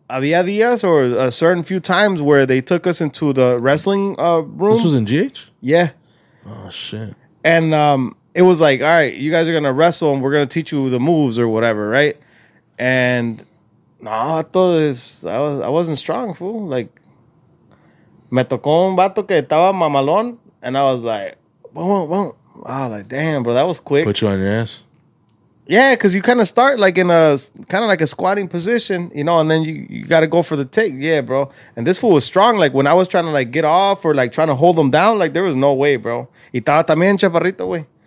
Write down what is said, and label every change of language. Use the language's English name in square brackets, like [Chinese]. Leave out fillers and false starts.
[Spanish] había días [English] or a certain few times where they took us into the wrestling room. This was in GH? Yeah. Oh, shit. And it was like, all right, you guys are going to wrestle and we're going to teach you the moves or whatever, right? And no, I thought this, I wasn't strong, fool. [Spanish] Like, me tocó un vato que estaba mamalón. [English] And I was like, boom, boom. Oh, like, damn, bro, that was quick. Put you on your ass. Yeah, because you kind of start like in a kind of like a squatting position, you know, and then you got to go for the take. Yeah, bro. And this fool was strong. Like when I was trying to like get off or like trying to hold him down, like there was no way, bro. [Spanish] Y estaba también chaparrito, güey.